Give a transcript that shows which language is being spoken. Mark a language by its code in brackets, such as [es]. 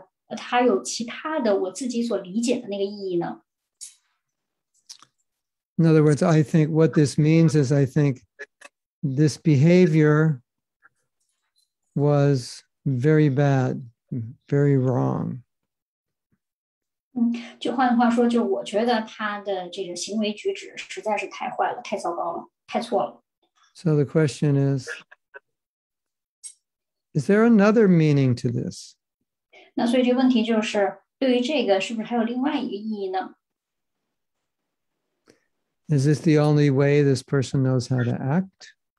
[zh] 那么这个是不是意味着它有其他的我自己所理解的那个意义呢? [en] In other words, I think what this means is I think this behavior was very bad, very wrong. [zh] 就换句话说，就我觉得他的这个行为举止实在是太坏了，太糟糕了，太错了。 [en] So the question is there another meaning to this? [zh] 那所以这个问题就是，对于这个是不是还有另外一个意义呢？ [en] Is this the only way this person knows how to act?